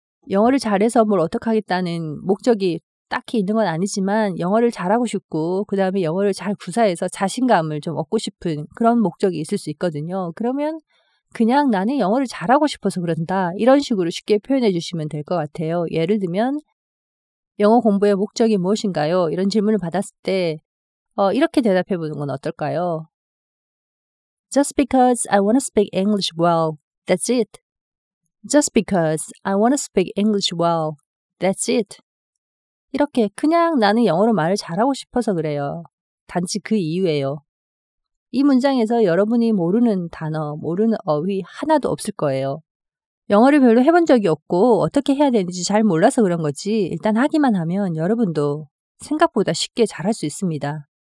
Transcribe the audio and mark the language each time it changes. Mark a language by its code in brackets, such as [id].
[ko] 영어를 잘해서 뭘 어떻게 하겠다는 목적이 딱히 있는 건 아니지만 영어를 잘하고 싶고 그 다음에 영어를 잘 구사해서 자신감을 좀 얻고 싶은 그런 목적이 있을 수 있거든요. 그러면 그냥 나는 영어를 잘하고 싶어서 그런다 이런 식으로 쉽게 표현해 주시면 될 것 같아요. 예를 들면 영어 공부의 목적이 무엇인가요? 이런 질문을 받았을 때 이렇게 대답해 보는 건 어떨까요? [en] Just because I want to speak English well, that's it. Just because I want to speak English well, that's it. [ko] 이렇게 그냥 나는 영어로 말을 잘하고 싶어서 그래요. 단지 그 이유예요. 이 문장에서 여러분이 모르는 단어, 모르는 어휘 하나도 없을 거예요. 영어를 별로 해본 적이 없고 어떻게 해야 되는지 잘 몰라서 그런 거지 일단 하기만 하면 여러분도 생각보다 쉽게 잘할 수 있습니다.